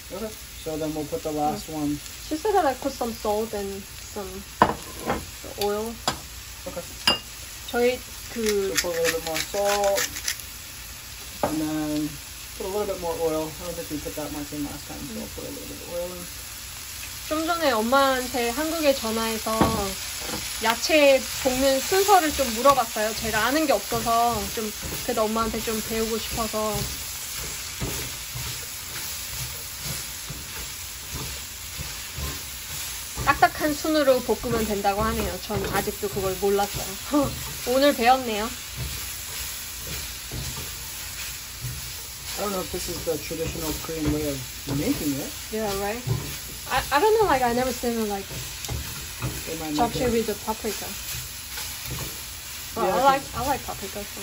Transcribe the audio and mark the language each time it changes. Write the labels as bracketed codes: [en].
[en] Okay, so then we'll put the last one. She said that I put some salt and some oil. Okay. So put a little bit more salt. And then put a little bit more oil. I don't think we put that much in last time, so I'll put a little bit of oil in. [ko] 좀 전에 엄마한테 한국에 전화해서 야채 볶는 순서를 좀 물어봤어요. 제가 아는 게 없어서 좀 그래도 엄마한테 좀 배우고 싶어서. 한 순으로 볶으면 된다고 하네요. 전 아직도 그걸 몰랐어요. 오늘 배웠네요. [en] I don't know if this is the traditional Korean way of making it. Yeah, right. I don't know. Like I never seen it, like japchae with the paprika. Well, yeah, I like paprika. So.